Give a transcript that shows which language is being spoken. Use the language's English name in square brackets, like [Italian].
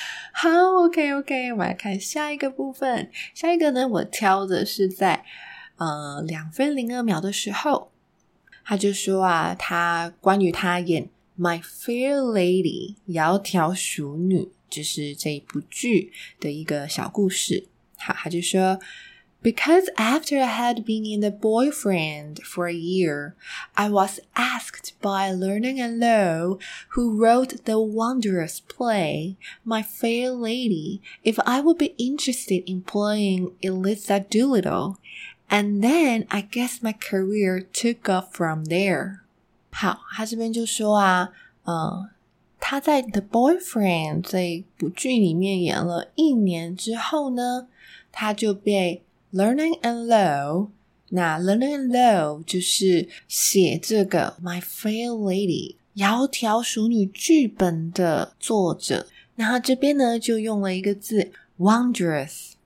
[Chinese] 好 OK 我们来看下一个部分，下一个呢我挑的是在2分02秒的时候，他就说啊，他关于他演 My Fair Lady 窈窕淑女，就是这一部剧的一个小故事。好，他就说 [English] Because after I had been in the boyfriend for a year, I was asked by Learning and Lo, who wrote the wondrous play, My Fair Lady, if I would be interested in playing Eliza Doolittle. And then I guess my career took off from there. [Chinese] 好，他这边就说啊，他在 The Boyfriend 这部剧里面演了一年之后呢，他就被 Learning and Lo， 那 Learning and Lo 就是写这个 My Fair Lady 窈窕淑女剧本的作者，那他这边呢就用了一个字 Wondrous